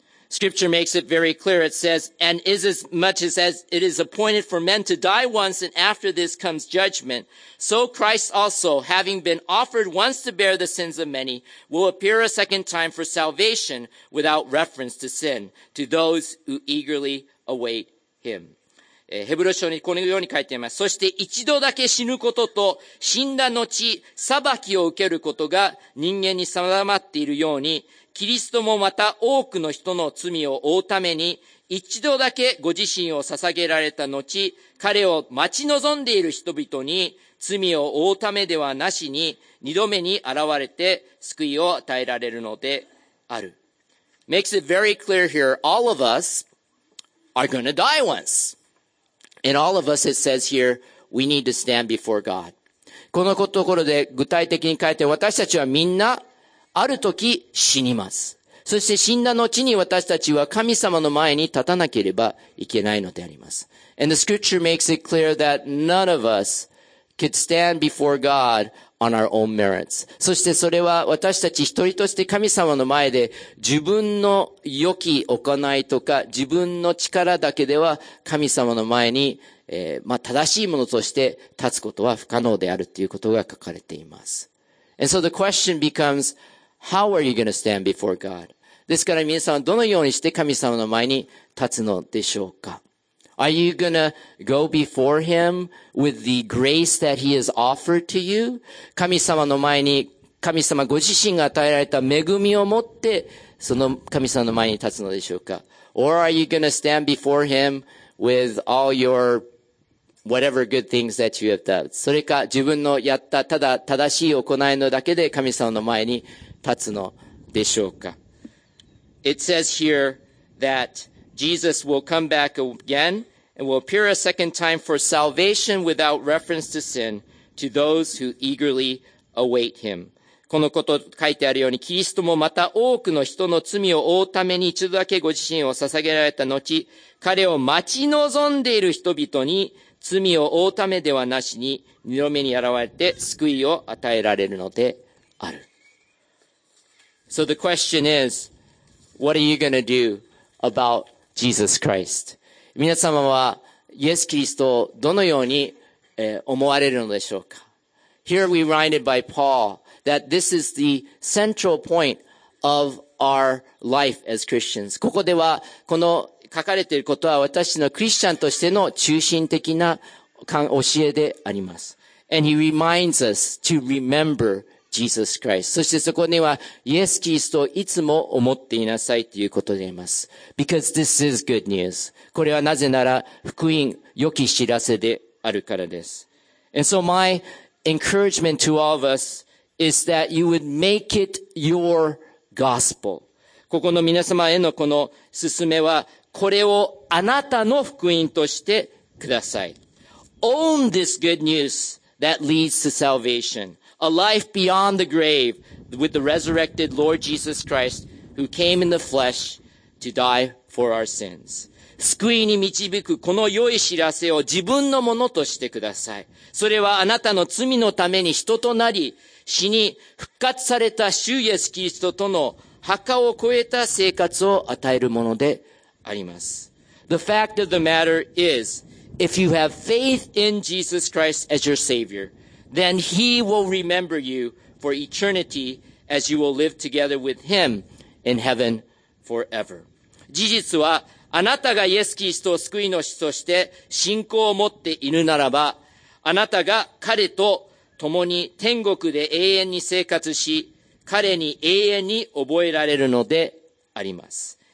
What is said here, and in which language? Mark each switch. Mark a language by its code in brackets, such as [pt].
[en] Scripture makes it very clear. It says, and is as much as it is appointed for men to die once, and after this comes judgment. So Christ also, having been offered once to bear the sins of many, will appear a second time for salvation without reference to sin to those who eagerly await him. [ja] ヘブル書にこのように書いています。そして一度だけ死ぬことと死んだ後、裁きを受けることが人間に定まっているように、キリストもまた多くの人の罪を負うために、一度だけご自身を捧げられた後、彼を待ち望んでいる人々に罪を負うためではなしに、二度目に現れて救いを与えられるのである。 [en] Makes it very clear here, all of us are gonna die once. And all of us, it says here, we need to stand before God. [ja] このところで具体的に書いて、私たちはみんな、ある時死にます。そして死んだ後に私たちは神様の前に立たなければいけないのであります。 [en] And the scripture makes it clear that none of us could stand before God on our own merits. [ja] そしてそれは私たち一人として神様の前で自分の良き行いとか自分の力だけでは神様の前に、まあ、正しいものとして立つことは不可能であるということが書かれています。 [en] And so the question becomes,How are you going to stand before God? [ja] ですから皆さんどのようにして神様の前に立つのでしょうか? [en] Are you going to go before Him with the grace that He has offered to you? [ja] 神様の前に、神様ご自身が与えられた恵みを持ってその神様の前に立つのでしょうか。 [en] Or are you gonna stand before him with all your whatever good things that you have done? [ja] それか自分のやったただ正しい行いのだけで神様の前に立つのでしょうか。 [en] It says here that Jesus will come back again and will appear a second time for salvation without reference to sin to those who eagerly await him. [ja] このこと書いてあるように、キリストもまた多くの人の罪を負うために一度だけご自身を捧げられた後、彼を待ち望んでいる人々に罪を負うためではなしに、二度目に現れて救いを与えられるのである。 [en] So the question is, what are you going to do about Jesus Christ? [ja] 皆様はイエス・キリストをどのように思われるのでしょうか? [en] Here we reminded by Paul. That this is the central point of our life as Christians. [ja] ここではこの書かれていることは私のクリスチャンとしての中心的な教えであります。 [en] And he reminds us to remember Jesus Christ. [ja] そしてそこにはイエス・キリストをいつも思っていなさいということであります。 [en] Because this is good news. [ja] これはなぜなら福音、良き知らせであるからです。 [en] And so my encouragement to all of usis that you would make it your gospel. [ja] ここの皆様へのこの勧めは、これをあなたの福音としてください。 [en] Own this good news that leads to salvation. A life beyond the grave with the resurrected Lord Jesus Christ who came in the flesh to die for our sins. [ja] 救いに導くこの良い知らせを自分のものとしてください。それはあなたの罪のために人となり、死に復活された主イエスキリストとの墓を越えた生活を与えるものであります。 [en] The fact of the matter is, if you have faith in Jesus Christ as your Savior, then He will remember you for eternity as you will live together with Him in heaven forever. [ja] 事実は、あなたがイエス・キリストを救い主として信仰を持っているならば、あなたが彼と共に天国で永遠に生活し、彼に永遠に覚えられるのであります。